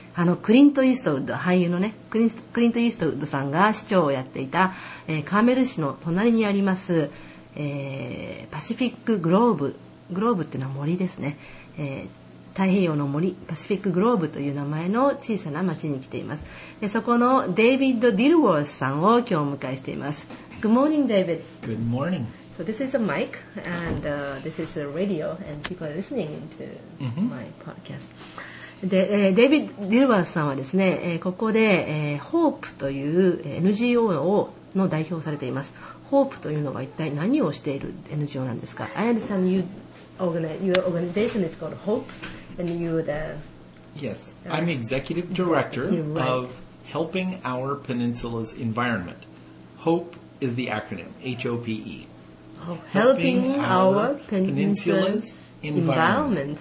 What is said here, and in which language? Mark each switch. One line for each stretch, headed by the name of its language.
Japanese: あのクリント・イーストウッド俳優のね、クリント・イーストウッドさんが市長をやっていた、カーメル市の隣にあります、パシフィック・グローブ。グローブっていうのは森ですね、太平洋の森、パシフィック・グローブという名前の小さな町に来ています。でそこのデイビッド・ディルウォースさんを今日お迎えしています。
English: Good morning, David. Good morning. So this is a mic and、this is a radio and people are listening into my podcast.
Japanese: で、デイビッド・ディルウォースさんはですね、ここで、HOPE という NGO の代表をされています。 HOPE というのは一体何をしている NGO なんですか？
English: I understand youYour organization is called HOPE, and you the... Yes, I'm executive director of Helping Our Peninsula's Environment. HOPE is the acronym, H-O-P-E. Oh, Helping our Peninsula's Environment.